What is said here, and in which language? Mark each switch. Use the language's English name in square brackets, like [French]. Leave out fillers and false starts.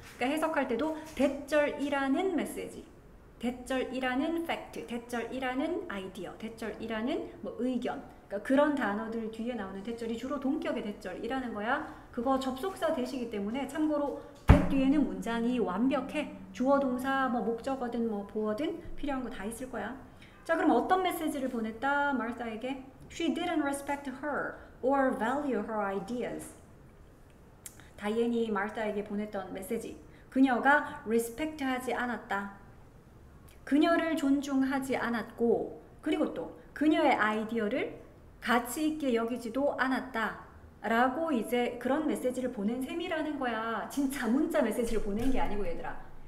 [Korean] 그러니까 해석할 때도 대절이라는 메시지, 대절이라는 팩트, 대절이라는 아이디어, 대절이라는 뭐 의견, 그러니까 그런 단어들 뒤에 나오는 대절이 주로 동격의 대절이라는 거야. 그거 접속사 되시기 때문에 참고로 that 뒤에는 문장이 완벽해. 주어, 동사, 뭐 목적어든 뭐 보어든 필요한 거 다 있을 거야. 자 그럼 어떤 메시지를 보냈다 마르타에게? [English] She didn't respect her or value her ideas. [Korean] 다이앤이 마르타에게 보냈던 메시지, 그녀가 respect하지 않았다, 그녀를 존중하지 않았고, 그리고 또 그녀의 아이디어를 가치 있게 여기지도 않았다 라고 이제 그런 메시지를 보낸 셈이라는 거야. 진짜 문자 메시지를 보낸 게 아니고 얘들아,